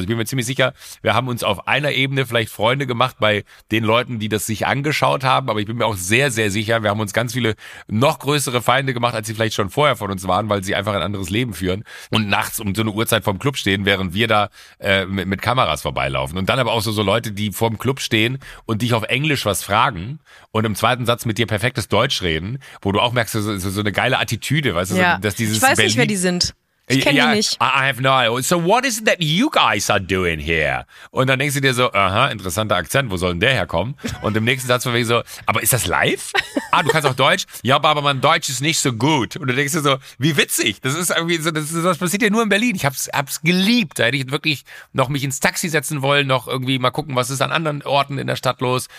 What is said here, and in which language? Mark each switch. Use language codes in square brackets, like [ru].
[de] Also ich bin mir ziemlich sicher, wir haben uns auf einer Ebene vielleicht Freunde gemacht bei den Leuten, die das sich angeschaut haben, aber ich bin mir auch sehr, sehr sicher, wir haben uns ganz viele noch größere Feinde gemacht, als sie vielleicht schon vorher von uns waren, weil sie einfach ein anderes Leben führen und nachts um so eine Uhrzeit vorm Club stehen, während wir da mit Kameras vorbeilaufen. Und dann aber auch so Leute, die vorm Club stehen und dich auf Englisch was fragen und im zweiten Satz mit dir perfektes Deutsch reden, wo du auch merkst, so eine geile Attitüde, weißt du, ja. Dass dieses Berlin... Ich weiß nicht, wer die sind. Ich kenne die nicht. [en] I have no idea. So what is it that you guys are doing here? [de] Und dann denkst du dir so, aha, interessanter Akzent, wo soll denn der herkommen? Und im nächsten Satz verwege ich so, aber ist das live? Ah, du kannst auch Deutsch? Ja, aber mein Deutsch ist nicht so gut. Und dann denkst du so, wie witzig. Das ist irgendwie so, das passiert ja nur in Berlin. Ich hab's geliebt. Da hätte ich wirklich noch mich ins Taxi setzen wollen, noch irgendwie mal gucken, was ist an anderen Orten in der Stadt los.